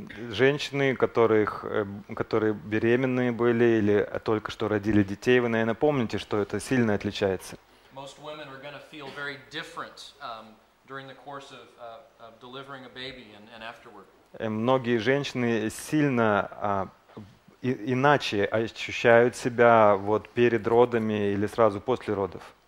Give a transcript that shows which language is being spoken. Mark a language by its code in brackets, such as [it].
[ru] Женщины, которые беременные были или только что родили детей, вы, наверное, помните, что это сильно отличается. [en] Most women are gonna feel very different during the course of delivering a baby and afterward. [ru] Многие женщины сильно иначе ощущают себя вот перед родами или сразу после родов.